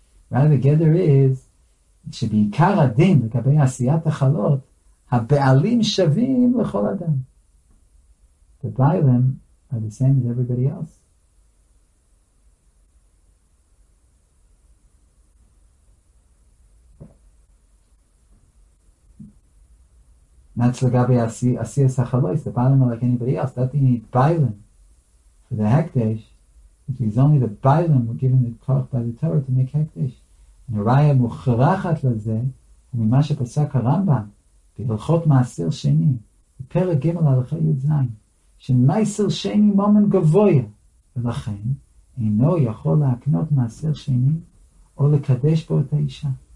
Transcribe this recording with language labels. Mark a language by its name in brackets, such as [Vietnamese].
[English] Rather, the gedder is [Hebrew] שבעיקר הדין לגבי עשיית החלות, הבעלים שווים לכל אדם. [English] The Ba'alim are the same as everybody else. That's [Hebrew] לגבי עשיית החלות, [English] the Ba'alim are like anybody else. That you need Ba'alim for the Hekdesh, because only the Ba'alim were given the Koch by the Torah to make Hekdesh. [Hebrew] נראה מוכרחת לזה ממה שפסק הרמב״ם בהלכות מעשר שני בפרק ג' הלכה י' ז' שמעשר שני מומן גבויה ולכן אינו יכול להקנות מעשר שני או לקדש בו את האישה.